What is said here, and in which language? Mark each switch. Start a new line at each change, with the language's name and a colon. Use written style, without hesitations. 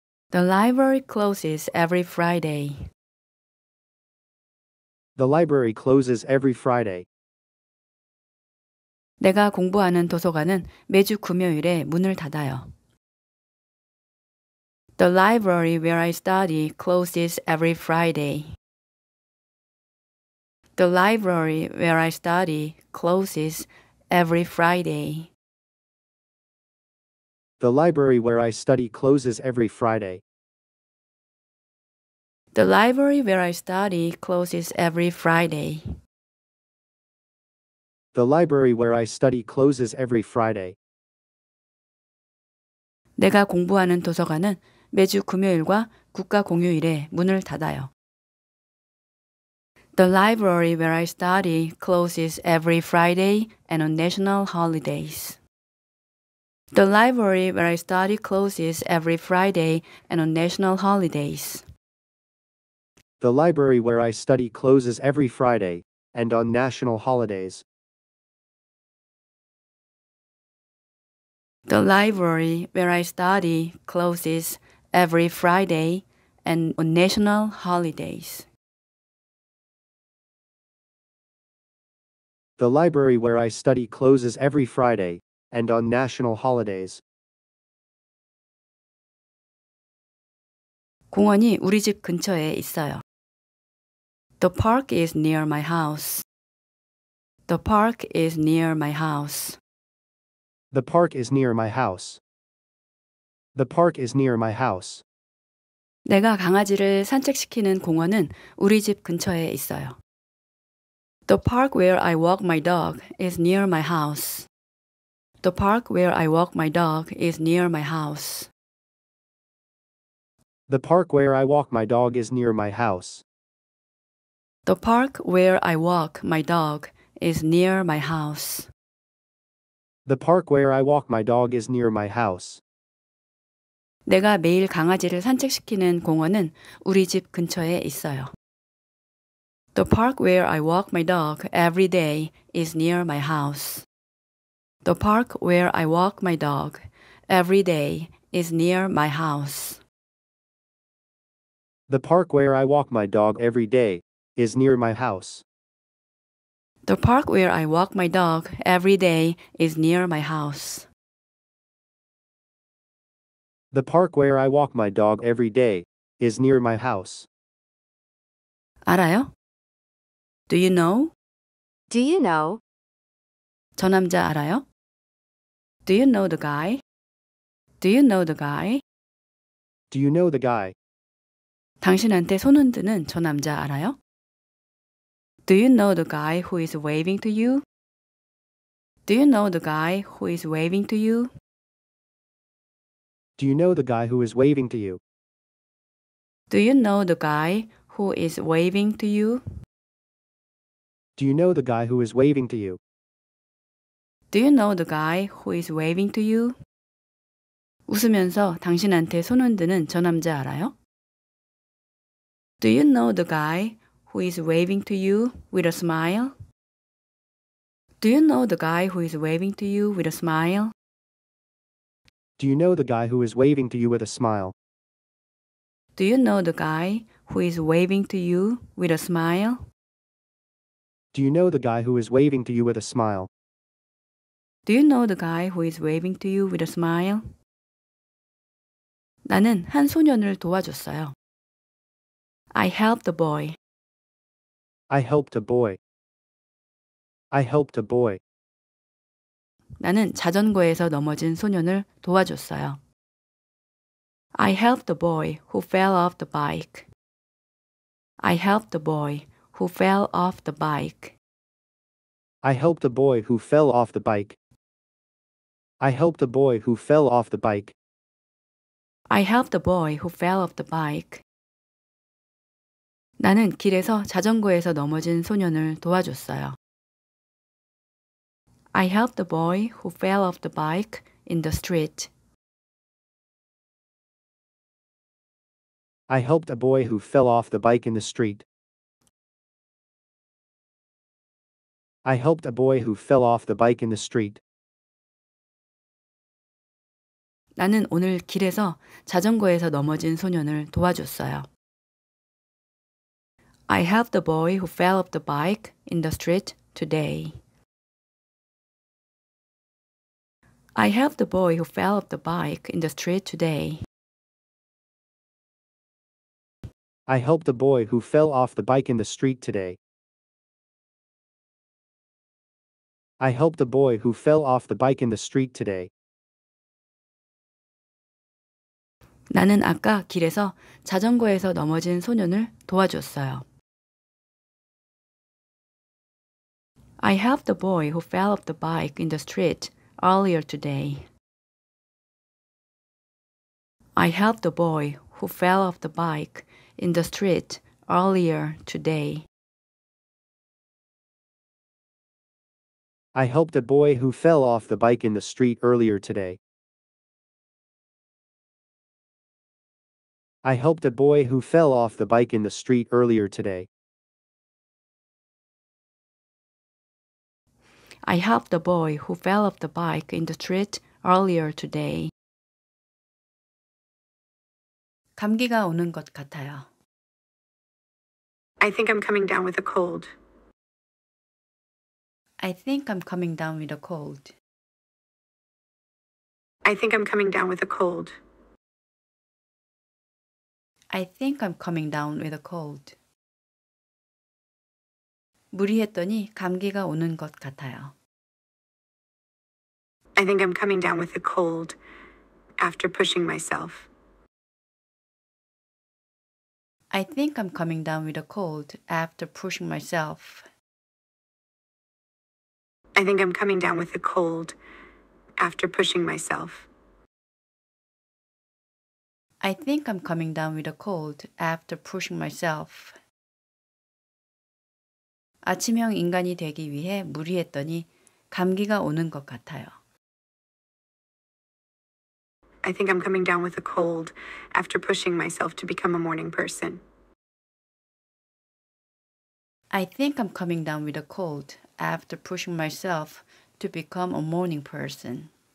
English: The library closes every Friday. The library closes every Friday.
Korean: 내가 공부하는 도서관은 매주 금요일에 문을 닫아요.
English: The library where I study closes every Friday. The library where I study closes every Friday. The library where I study closes every Friday. The library where I study closes every Friday. The library where I study closes every Friday.
Korean: 내가 공부하는 도서관은 매주 금요일과 국가 공휴일에 문을 닫아요.
English: The library where I study closes every Friday and on national holidays. The library where I study closes every Friday and on national holidays. The library where I study closes every Friday and on national holidays. The library where I study closes every Friday and on national holidays. The library where I study closes every Friday and on national holidays.
Korean: 공원이 우리 집 근처에 있어요.
English: The park is near my house. The park is near my house. The park is near my house. The park is near my house.
Korean: 내가 강아지를 산책시키는 공원은 우리 집 근처에 있어요.
English: The park where I walk my dog is near my house. The park where I walk my dog is near my house. The park where I walk my dog is near my house. The park where I walk my dog is near my house. The park where I walk my dog is near my house.
Korean: 내가 매일 강아지를 산책시키는 공원은 우리 집 근처에 있어요.
English: The park where I walk my dog every day is near my house. The park where I walk my dog every day is near my house. The park where I walk my dog every day is near my house. The park where I walk my dog every day is near my house. The park where I walk my dog every day is near my house.
Korean: 알아요?
English: Do you know? Do you know?
Korean: 저 남자 알아요?
English: Do you know the guy? Do you know the guy? Do you know the guy?
Korean: 당신한테 손 흔드는 저 남자 알아요?
English: Do you know the guy who is waving to you? Do you know the guy who is waving to you? Do you know the guy who is waving to you? Do you know the guy who is waving to you? Do you know the guy who is waving to you? Do you know the guy who is waving to you?
Korean: 웃으면서 당신한테 손 흔드는 저 남자 알아요?
English: Do you know the guy who is waving to you with a smile? Do you know the guy who is waving to you with a smile? Do you know the guy who is waving to you with a smile? Do you know the guy who is waving to you with a smile? Do you know the guy who is waving to you with a smile? Do you know the guy who is waving to you with a smile?
Korean: 나는 한 소년을 도와줬어요.
English: I helped a boy. I helped a boy. I helped a boy.
Korean: 나는 자전거에서 넘어진 소년을 도와줬어요.
English: I helped a boy who fell off the bike. I helped a boy who fell off the bike. I helped a boy who fell off the bike. I helped a boy who fell off the bike. I helped a boy who fell off the bike.
Korean: 나는 길에서 자전거에서 넘어진 소년을 도와줬어요.
English: I helped the boy who fell off the bike in the street. I helped a boy who fell off the bike in the street. I helped a boy who fell off the bike in the street.
Korean: 나는 오늘 길에서 자전거에서 넘어진 소년을 도와줬어요.
English: I helped a boy who fell off the bike in the street today. I helped a boy who fell off the bike in the street today. I helped a boy who fell off the bike in the street today. I helped a boy who fell off the bike in the street today.
Korean: 나는 아까 길에서 자전거에서 넘어진 소년을 도와줬어요.
English: I helped the boy who fell off the bike in the street earlier today. I helped the boy who fell off the bike in the street earlier today. I helped a boy who fell off the bike in the street earlier today. I helped a boy who fell off the bike in the street earlier today. I helped a boy who fell off the bike in the street earlier today.
Korean: 감기가 오는 것 같아요.
English: I think I'm coming down with a cold. I think I'm coming down with a cold. I think I'm coming down with a cold. I think I'm coming down with a cold.
Korean: 무리했더니 감기가 오는 것 같아요.
English: I think I'm coming down with a cold after pushing myself. I think I'm coming down with a cold after pushing myself. I think I'm coming down with a cold after pushing myself. I think I'm coming down with a cold after pushing myself.
Korean: 아침형 인간이 되기 위해 무리했더니 감기가 오는 것 같아요.
English: I think I'm coming down with a cold after pushing myself to become a morning person. I think I'm coming down with a cold after pushing myself to become a morning person.